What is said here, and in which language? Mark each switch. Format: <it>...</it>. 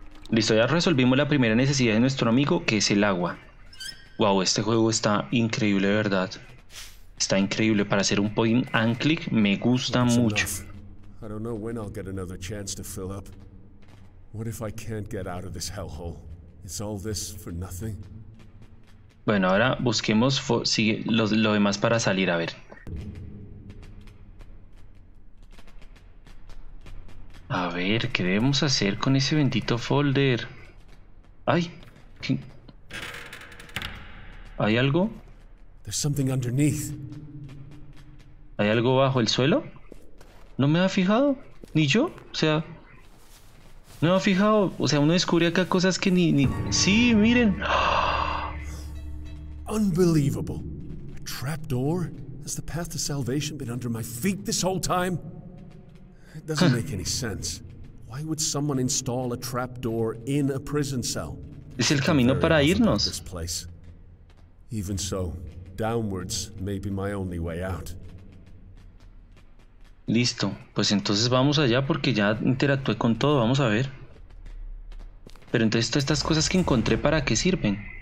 <es>Listo, ya resolvimos la primera necesidad de nuestro amigo, que es el agua. Wow, este juego está increíble, ¿verdad? Está increíble. Para hacer un point and click, me gusta mucho.</es> <en>I don't know when I'll get another chance to fill up. What if I can't get out of this hellhole? Is all this for nothing?</en> <es>Bueno, ahora busquemos lo demás para salir, a ver. A ver, ¿qué debemos hacer con ese bendito folder? ¡Ay! ¿Hay algo?</es> <en>There's something underneath.</en> <es>¿Hay algo bajo el suelo? No me ha fijado, ni yo, o sea, no me ha fijado, o sea, uno descubre acá cosas que ni. Sí, miren.</es> <en>Unbelievable. A trapdoor? Has the path to salvation been under my feet this whole time? It doesn't make any sense. Why would someone install a trapdoor in a prison cell?</en> <es>Es el camino para irnos.</es> <en>Even so, downwards may be my only way out.</en> <es>Listo, pues entonces vamos allá porque ya interactué con todo, vamos a ver. Pero entonces todas estas cosas que encontré, ¿para qué sirven?</es>